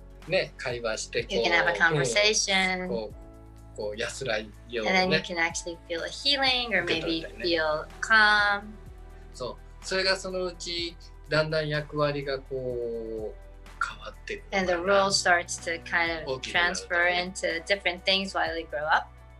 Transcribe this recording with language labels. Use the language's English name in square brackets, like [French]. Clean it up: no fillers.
[English] You can have a conversation and then you can actually feel a healing or maybe feel calm. [Japanese] So, それがそのうちだんだん役割がこう変わっていく。 [English] And the role starts to kind of transfer into different things while you grow up.